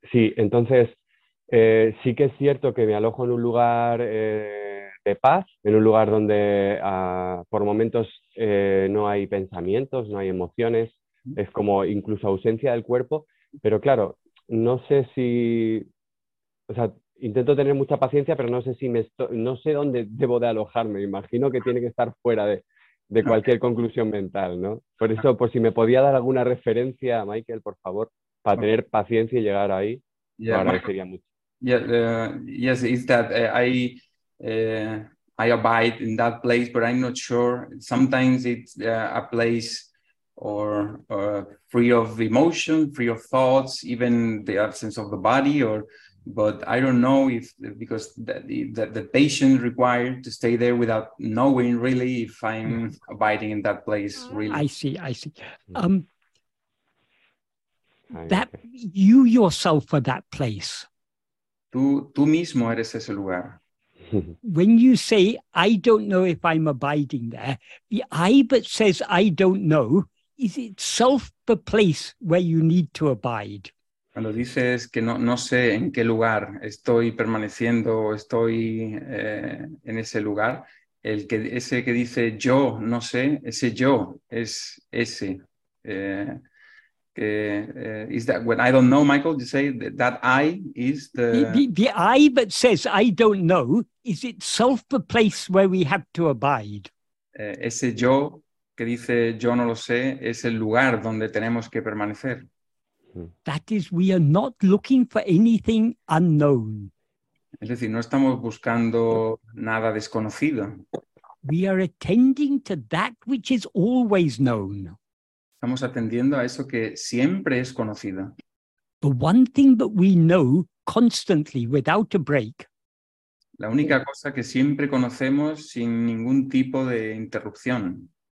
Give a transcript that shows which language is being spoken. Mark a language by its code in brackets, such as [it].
[es] Sí, entonces, sí que es cierto que me alojo en un lugar de paz, en un lugar donde por momentos no hay pensamientos, no hay emociones, es como incluso ausencia del cuerpo, pero claro, no sé si, o sea, intento tener mucha paciencia, pero no sé dónde debo de alojarme, imagino que tiene que estar fuera de cualquier conclusión mental, ¿no? Por eso, por si me podía dar alguna referencia, Michael, por favor, para tener paciencia y llegar ahí, para que sería mucho. [en] Yeah, yes, it's that I abide in that place, but I'm not sure. Sometimes it's a place or free of emotion, free of thoughts, even the absence of the body, but I don't know if because the patient required to stay there without knowing really if I'm abiding in that place really. I see. That you yourself are that place. [es] Tú mismo eres ese lugar. [en] When you say I don't know if I'm abiding there, the I that says I don't know is itself the place where you need to abide. [es] Cuando dices que no sé en qué lugar estoy permaneciendo o estoy en ese lugar, ese que dice yo no sé, ese yo es ese. [en] Is that when I don't know, Michael, you say that I is the I that says I don't know is itself the place where we have to abide. [es] Ese yo que dice yo no lo sé es el lugar donde tenemos que permanecer. [en] That is, we are not looking for anything unknown. [es] Es decir, no estamos buscando nada desconocido. [en] We are attending to that which is always known. [es] Estamos atendiendo a eso que siempre es conocido. [en] The one thing that we know constantly without a break. [es] La única cosa que siempre conocemos sin ningún tipo de interrupción.